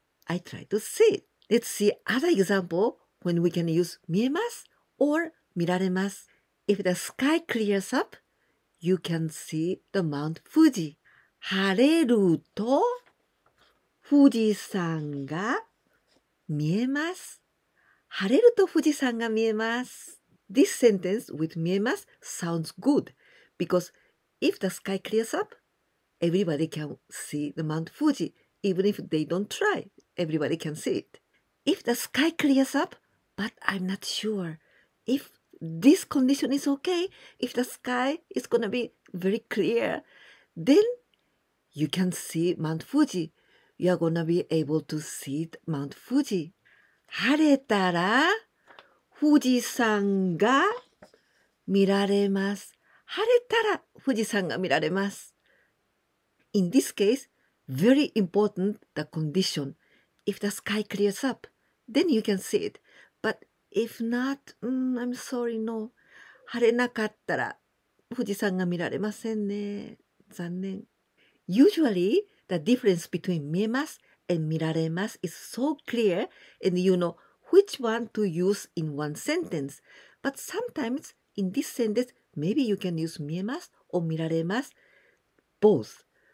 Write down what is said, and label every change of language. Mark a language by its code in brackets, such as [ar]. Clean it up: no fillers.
[en] I try to see it. Let's see other example when we can use 見えます or 見られます. If the sky clears up, you can see the Mount Fuji. [ja] 晴れると富士山が見えます。晴れると富士山が見えます。 [en] This sentence with 見えます sounds good because if the sky clears up, everybody can see the Mount Fuji. Even if they don't try, everybody can see it. If the sky clears up, but I'm not sure. If this condition is okay, if the sky is going to be very clear, then you can see Mount Fuji. You are going to be able to see Mount Fuji. [ja] 晴れたら富士山が見られます。晴れたら富士山が見られます。 [en] In this case, very important the condition. If the sky clears up, then you can see it. But if not, I'm sorry, no. [ja] 晴れなかったら富士山が見られませんね。残念。 [en] Usually, the difference between 見えます and 見られます is so clear and you know which one to use in one sentence. But sometimes, in this sentence,Maybe you can use 見えます or 見られます, both.